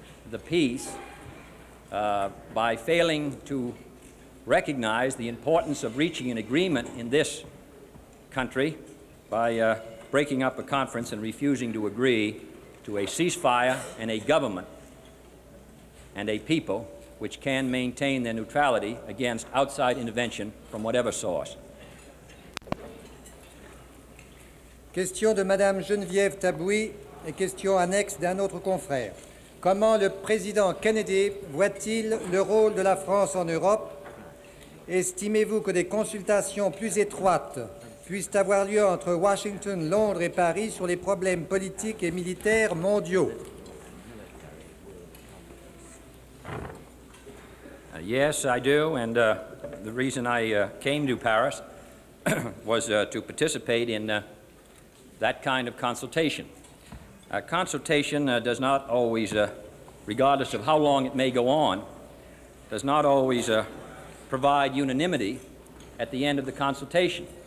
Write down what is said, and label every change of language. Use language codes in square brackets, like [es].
[en] the peace by failing to recognize the importance of reaching an agreement in this country by breaking up a conference and refusing to agree to a ceasefire and a government and a people which can maintain their neutrality against outside intervention from whatever source. [fr] Question de Madame Geneviève Taboui et question annexe d'un autre confrère. Comment le président Kennedy voit-il le rôle de la France en Europe? Estimez-vous que des consultations plus étroites puissent avoir lieu entre Washington, Londres et Paris sur les problèmes politiques et militaires mondiaux? [en] Yes, I do, and the reason I came to Paris was to participate in that kind of consultation. Consultation does not always, regardless of how long it may go on, does not always provide unanimity at the end of the consultation.